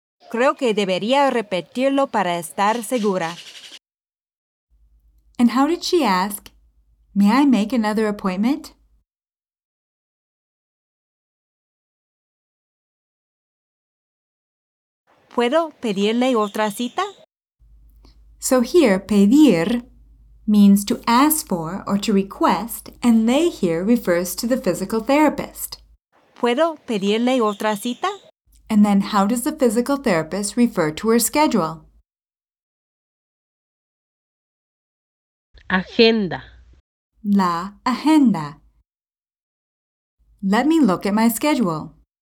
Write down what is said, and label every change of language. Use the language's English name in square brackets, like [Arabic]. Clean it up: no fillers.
[Spanish] Creo que debería repetirlo para estar segura. [English] And how did she ask? May I make another appointment? [Spanish] ¿Puedo pedirle otra cita? [English] So here, pedir means to ask for or to request, and le here refers to the physical therapist. [Spanish] ¿Puedo pedirle otra cita? [English] And then how does the physical therapist refer to her schedule? [Spanish] Agenda. La agenda. [English] Let me look at my schedule.